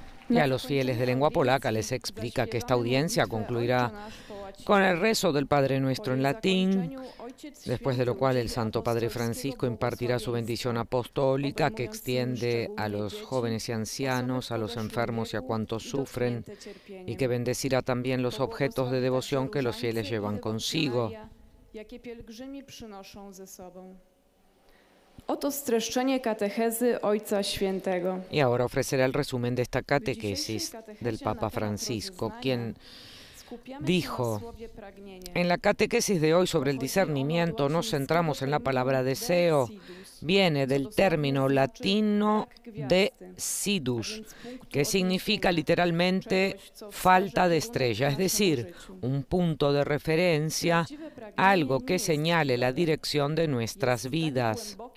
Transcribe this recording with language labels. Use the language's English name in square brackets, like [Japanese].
[Spanish] Y a los fieles de lengua polaca les explica que esta audiencia concluirá con el rezo del Padre Nuestro en latín, después de lo cual el Santo Padre Francisco impartirá su bendición apostólica que extiende a los jóvenes y ancianos, a los enfermos y a cuantos sufren, y que bendecirá también los objetos de devoción que los fieles llevan consigo. [Polish] Oto streszczenie katechezy Ojca Świętego. [Spanish] Y ahora ofrecerá el resumen de esta catequesis del Papa Francisco, quien dijo, en la catequesis de hoy sobre el discernimiento nos centramos en la palabra deseo, viene del término latino de sidus, que significa literalmente falta de estrella, es decir, un punto de referencia, algo que señale la dirección de nuestras vidas.